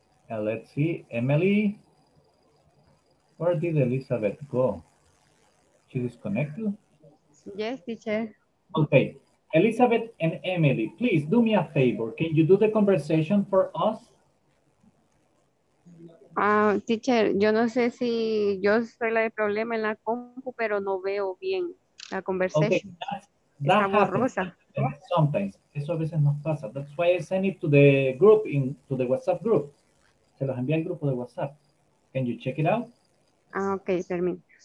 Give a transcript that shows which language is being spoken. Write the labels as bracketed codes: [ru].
[en] Now let's see, Emily, where did Elizabeth go? She disconnected? Yes, teacher. Okay. Elizabeth and Emily, please do me a favor. Can you do the conversation for us? [es] Teacher, yo no sé si yo soy la de problema en la compu, pero no veo bien la conversation. [en] Okay. That happens. Sometimes. [es] Eso a veces nos pasa. [en] That's why I send it to the group, to the WhatsApp group. [es] Se los envía al grupo de WhatsApp. [en] Can you check it out? [es] Okay, permiso.